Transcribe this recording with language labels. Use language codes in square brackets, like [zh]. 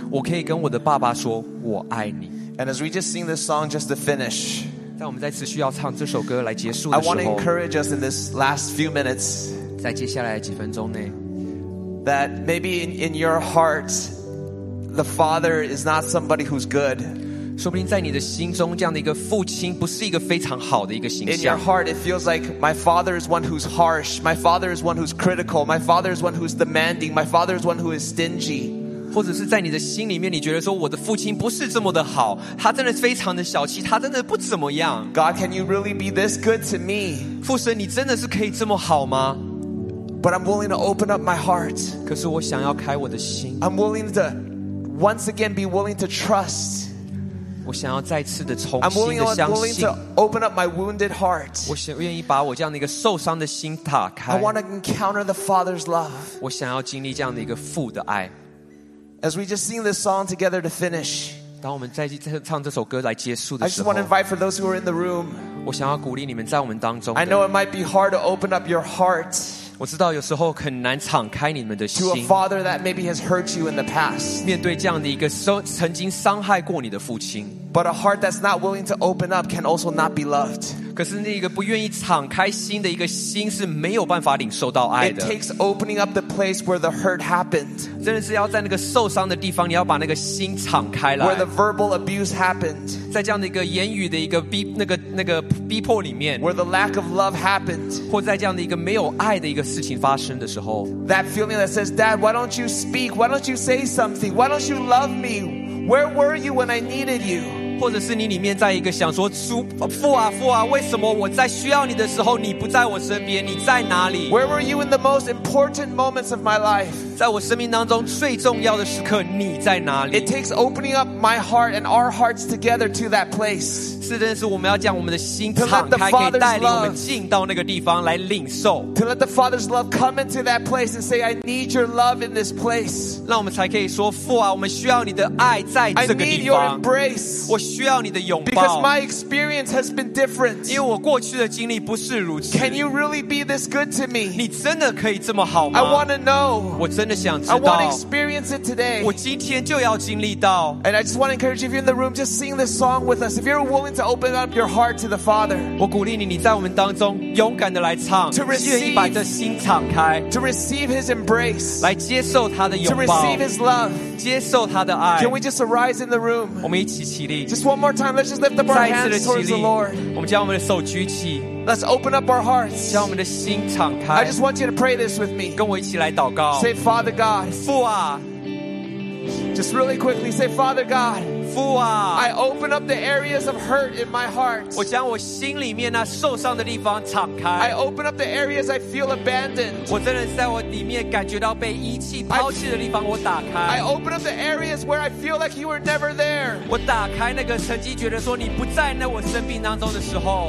[zh] 我可以跟我的爸爸说我爱你 [en] And as we just sing this song just to finish [zh] 在我们再次需要唱这首歌来结束的时候 [en] I want to encourage us in this last few minutes [zh] 在接下来几分钟内 [en] that maybe in your heart the father is not somebody who's good [zh] 说不定在你的心中这样的一个父亲不是一个非常好的一个形象 [en] in your heart it feels like my father is one who's harsh my father is one who's critical my father is one who's demanding my father is one who is stingy [zh] 或者是在你的心里面你觉得说我的父亲不是这么的好他真的非常的小气他真的不怎么样 [en] God can you really be this good to me [zh] 父神你真的是可以这么好吗 [en] But I'm willing to open up my heart. [zh] 可是我想要开我的心。 [en] I'm willing to once again be willing to trust. [zh] 我想要再次的重新的相信。 [en] I'm willing to open up my wounded heart. [zh] 我愿意把我这样的一个受伤的心打开。 [en] I want to encounter the Father's love. [zh] 我想要经历这样的一个父的爱。 [en] As we just sing this song together to finish. [zh] 当我们再唱这首歌来结束的时候。 [en] I just want to invite for those who are in the room. [zh] 我想要鼓励你们在我们当中。 [en] I know it might be hard to open up your heart. [zh] 我知道有时候很难敞开你们的心 [en] To a father that maybe has hurt you in the past [zh] 面对这样的一个曾经伤害过你的父亲 [en] But a heart that's not willing to open up can also not be loved [zh] 可是那个不愿意敞开心的一个心是没有办法领受到爱的 [en] It takes opening up the place where the hurt happened [zh] 真的是要在那个受伤的地方你要把那个心敞开来 [en] Where the verbal abuse happened [zh] 在这样的一个言语的一个逼那个那个逼迫里面 [en] Where the lack of love happened [zh] 或在这样的一个没有爱的一个事情发生的时候 [en] That feeling that says Dad why don't you speak Why don't you say something Why don't you love me Where were you when I needed you [zh] 或者是你里面在一个想说父啊父啊为什么我在需要你的时候你不在我身边你在哪里 [en] Where were you in the most important moments of my life [zh] 在我生命当中最重要的时刻你在哪里 [en] It takes opening up my heart and our hearts together to that place [zh] 是真的是我们要将我们的心敞开可以带领我们进到那个地方来领受 [en] To let the Father's love come into that place and say I need your love in this place [zh] 让我们才可以说父啊我们需要你的爱在这个地方 [en] I need your embrace [zh] 我需要你的拥抱 [en] Because my experience has been different [zh] 因为我过去的经历不是如此 [en] Can you really be this good to me [zh] 你真的可以这么好吗 [en] I want to know [zh] 我真的想知道 [en] I want to experience it today [zh] 我今天就要经历到 [en] And I just want to encourage you if you're in the room just sing this song with us if you're willing to to open up your heart to the Father. [zh] 我鼓励你，你在我们当中勇敢的来唱。 [en] To receive, [zh] 把这心敞开。 [en] To receive His embrace. [zh] 来接受他的拥抱。 [en] To receive His love. [zh] 接受他的爱。 [en] Can we just arise in the room? [zh] 我们一起起立。 [en] Just one more time. Let's just lift up our hands towards the Lord. [zh] 我们将我们的手举起。 [en] Let's open up our hearts. [zh] 将我们的心敞开。 [en] I just want you to pray this with me. [zh] 跟我一起来祷告。 [en] Say, Father God. [zh] 父啊。 [en] Just really quickly say, Father God, [zh] 父啊, [en] I open up the areas of hurt in my heart. [zh] 我将我心里面那受伤的地方敞开。 [en] I open up the areas I feel abandoned. [zh] 我真的在我里面感觉到被遗弃抛弃的地方，我打开。 [en] I open up the areas where I feel like you were never there. [zh] 我打开那个曾经觉得说你不在那我生命当中的时候。